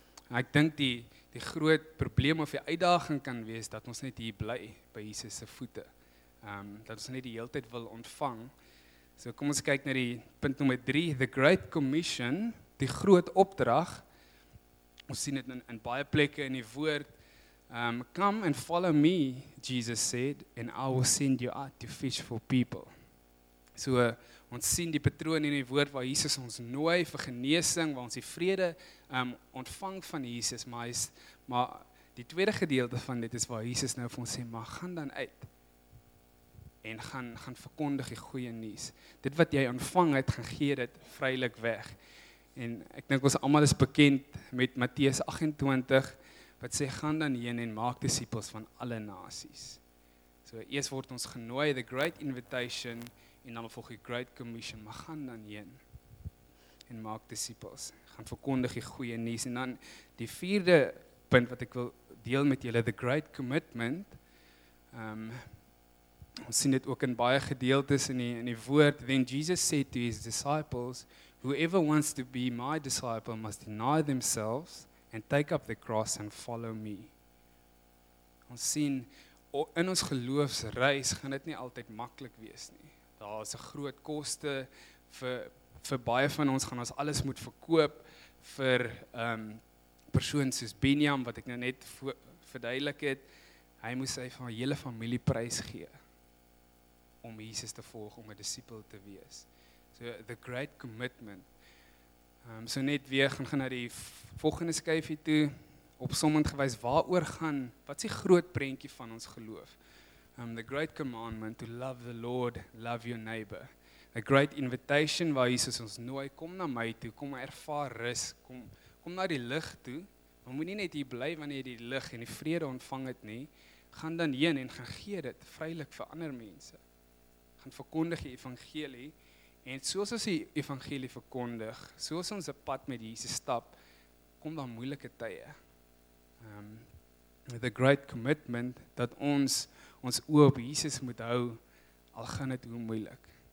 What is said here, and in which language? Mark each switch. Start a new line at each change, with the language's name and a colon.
Afrikaans: En ek dink die groot probleem of die uitdaging kan wees, dat ons net hier bly by Jesus se voete. Dat ons net die hele tyd wil ontvang. So kom ons kyk na die punt nommer 3,
English: the great commission,
Afrikaans: die groot opdrag. Ons sien dit in baie plekke in die woord.
English: Come and follow me, Jesus said, and I will send you out to fish for people.
Afrikaans: So ons sien die patroon in die woord waar Jesus ons nooi vir genesing, waar ons die vrede ontvang van Jesus, maar die tweede gedeelte van dit is waar Jesus nou vir ons sê, maar gaan dan uit en gaan verkondig die goeie nuus. Dit wat jy ontvang het, gaan gee dit vrylik weg. En ek dink ons almal is bekend met Matteus 28, wat sê, gaan dan heen en maak disippels van alle nasies. So eers word ons genooi,
English: the great invitation,
Afrikaans: en dan volg die great commission, maar gaan dan heen en maak disippels, gaan verkondig die goeie nuus. En dan die vierde punt wat ek wil deel met julle,
English: the great commitment.
Afrikaans: Ons sien dit ook in baie gedeeltes in die woord.
English: Then Jesus said to his disciples, whoever wants to be my disciple must deny themselves and take up the cross and follow me.
Afrikaans: Ons sien in ons geloofsreis gaan dit nie altyd maklik wees nie. Daar is 'n groot koste vir baie van ons, gaan ons alles moet verkoop vir persoon soos Benjam, wat ek nou net verduidelik het. Hy moes sy van hele familie prys gee om Jesus te volg, om 'n disipel te wees.
English: So, the great commitment.
Afrikaans: So net weer, gaan na die volgende skyfie toe, opsommend gewys, waaroor gaan, wat is die groot prentjie van ons geloof?
English: The great commandment, to love the Lord, love your neighbor. A great invitation,
Afrikaans: waar Jesus ons nooi, kom na my toe, kom ervaar rus, kom na die lig toe, maar moet nie net hier bly wanneer jy die lig en die vrede ontvang het nie, gaan dan heen en gaan gee dit vrylik vir ander mense. Gaan verkondig die evangelie, en soos ons die evangelie verkondig, soos ons die pad met Jesus stap, kom dan moeilike tye.
English: The great commitment,
Afrikaans: dat ons oog op Jesus moet hou, al gaan het hoe moeilik.